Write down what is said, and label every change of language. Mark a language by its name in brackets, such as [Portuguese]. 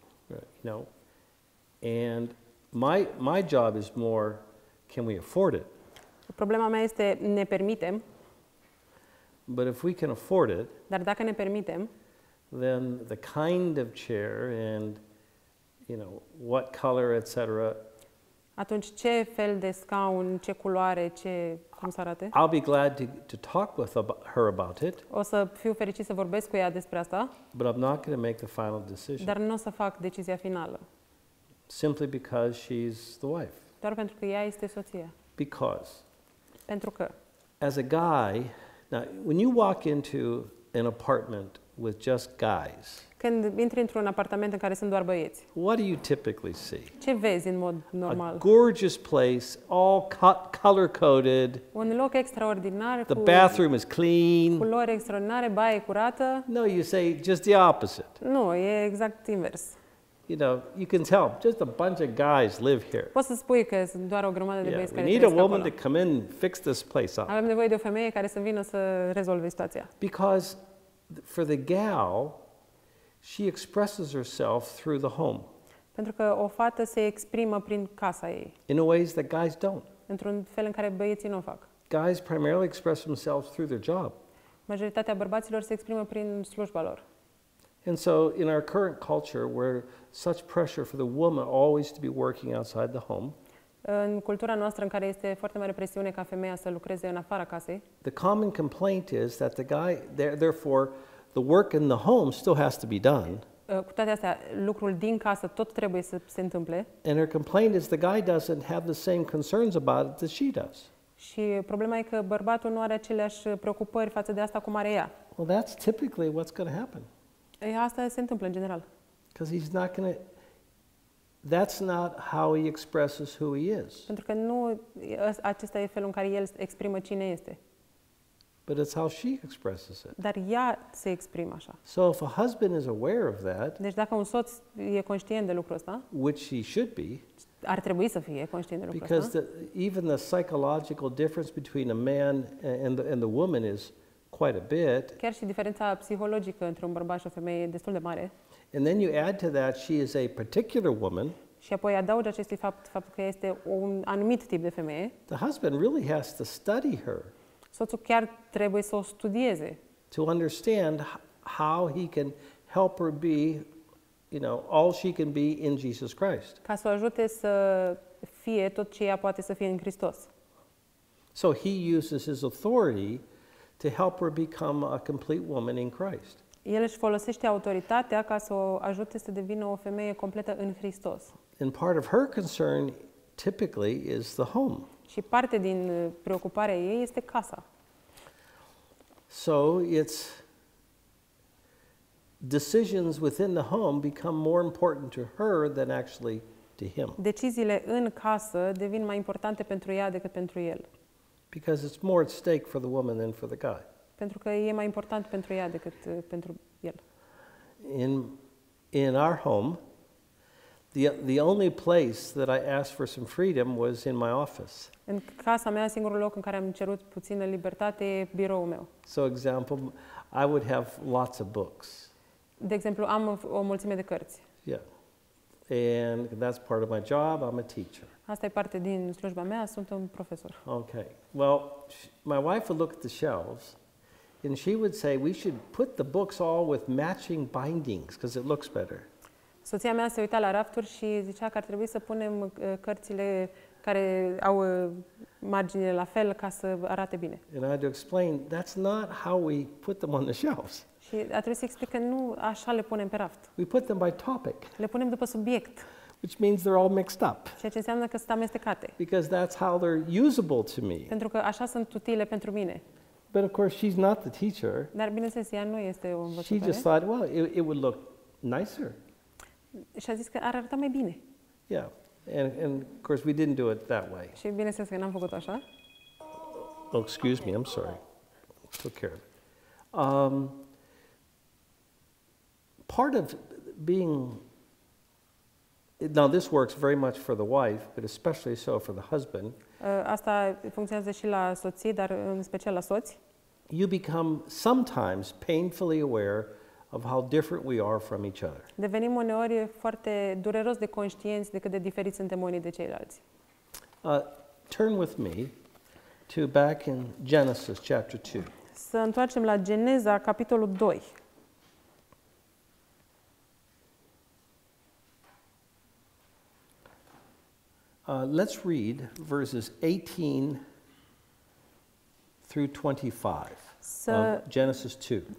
[English] Right, no. And my job is more, can we afford it? [Romanian] Problema mea este, ne permitem? [English] But if we can afford it, [Romanian] dar dacă ne permitem, [English] then the kind of chair and, you know, what color, etc. [Romanian] Atunci ce fel de scaun, ce culoare, ce cum să arate? [English] I'll be glad to talk with her about it. [Romanian] O să fiu fericit să vorbesc cu ea despre asta. [English] But I'm not going to make the final decision. [Romanian] Dar nu o să fac decizia finală. [English] Simply because she's the wife. [Romanian] Doar pentru că ea este soția. [English] Because. [Romanian] Pentru că. [English] As a guy, now when you walk into an apartment with just guys. [Romanian] Când intri într-un apartament în care sunt doar băieți. [English] What do you typically see? [Romanian] Ce vezi în mod normal? [English] A gorgeous place, all color-coded. [Romanian] Un loc extraordinar. [English] The bathroom is clean. [Romanian] Culoare extraordinare, baie curată. [English] No, you say just the opposite. [Romanian] Nu, e exact invers. [English] You know, you can tell just a bunch of guys live here. [Romanian] Poți să spui că sunt doar o grămadă de băieți care trăiesc acolo. [English] We need a woman to come in and fix this place up. [Romanian] Avem nevoie de o femeie care să vină să rezolve situația. [English] Because for the gal, she expresses herself through the home. [Romanian] Pentru că o fată se exprimă prin casa ei. [English] In ways that guys don't. [Romanian] Într-un fel în care băieții nu o fac. [English] Guys primarily express themselves through their job. [Romanian] Majoritatea bărbaților se exprimă prin slujba lor. [English] And so in our current culture where such pressure for the woman always to be working outside the home. [Romanian] În cultura noastră în care este foarte mare presiune ca femeia să lucreze în afara casei. [English] The common complaint is that the guy therefore the work in the home still has to be done. [Romanian] Cu toate astea, lucrul din casă tot trebuie să se întâmple. [English] And her complaint is the guy doesn't have the same concerns about it that she does. [Romanian] Și problema e că bărbatul nu are aceleași preocupări față de asta cum are ea. [English] Well, that's typically what's going to happen. [Romanian] Asta se întâmplă în general. [English] Because he's not going to. That's not how he expresses who he is. [Romanian] Pentru că nu acesta e felul în care el exprimă cine este. [English] But it's how she expresses it. [Romanian] Dar ea se exprimă așa. [English] So if a husband is aware of that. [Romanian] Deci dacă un soț e conștient de lucrul ăsta. [English] Which he should be. [Romanian] Ar trebui să fie conștient de lucrul [English] because [Romanian] ăsta. [English] Because even the psychological difference between a man and the woman is quite a bit. [Romanian] Chiar și diferența psihologică între un bărbat și o femeie e destul de mare. [English] And then you add to that she is a particular woman. [Romanian] Și apoi adaugi acestui fapt că este un anumit tip de femeie. [English] The husband really has to study her. [Romanian] soțul chiar trebuie să o studieze. [English] To understand how he can help her be, you know, all she can be in Jesus Christ. [Romanian] Ca să o ajute să fie tot ce ea poate să fie în Hristos. [English] So he uses his authority to help her become a complete woman in Christ. [Romanian] El își folosește autoritatea ca să o ajute să devină o femeie completă în Hristos. [English] And part of her concern typically is the home. [Romanian] Și parte din preocuparea ei este casa. [English] So it's decisions within the home become more important to her than actually to him. [Romanian] Deciziile în casă devin mai importante pentru ea decât pentru el. [English] Because it's more at stake for the woman than for the guy. [Romanian] Pentru că e mai important pentru ea decât pentru el. [English] In our home, the only place that I asked for some freedom was in my office. [Romanian] În casa mea, singurul loc în care am cerut puțină libertate e biroul meu. [English] So example, I would have lots of books. [Romanian] De exemplu, am o mulțime de cărți. [English] Yeah. And that's part of my job. I'm a teacher. [Romanian] Asta e parte din slujba mea, sunt un profesor. [English] Okay. Well, my wife would look at the shelves and she would say we should put the books all with matching bindings because it looks better. [Romanian] Soția mea se uita la rafturi și zicea că ar trebui să punem cărțile care au marginile la fel ca să arate bine. [English] And I had to explain that's not how we put them on the shelves. [Romanian] Și a trebuit să explic că nu așa le punem pe raft. [English] We put them by topic. [Romanian] Le punem după subiect. [English] Which means they're all mixed up. [Romanian] Ceea ce înseamnă că sunt amestecate. [English] Because that's how they're usable to me. [Romanian] Pentru că așa sunt utile pentru mine. [English] But of course she's not the teacher. [Romanian] Dar bineînțeles, ea nu este o învățătoare. [English] She just thought, well, it would look nicer. [Romanian] Și a zis că ar arăta mai bine. [English] Yeah. And of course we didn't do it that way. [Romanian] Și bineînțeles că n-am făcut așa. [English] Oh, excuse me, I'm sorry. Took care of it. Part of being, now this works very much for the wife, but especially so for the husband. [Romanian] Asta funcționează și la soții, dar în special la soți. [English] You become sometimes painfully aware of how different we are from each other. [Romanian] Devenim uneori foarte dureros de conștienți de cât de diferiți suntem unii de ceilalți. [English] Turn with me to back in Genesis chapter 2. [Romanian] Să întoarcem la Geneza capitolul 2. [English] Let's read verses 18 through 25 of Genesis 2.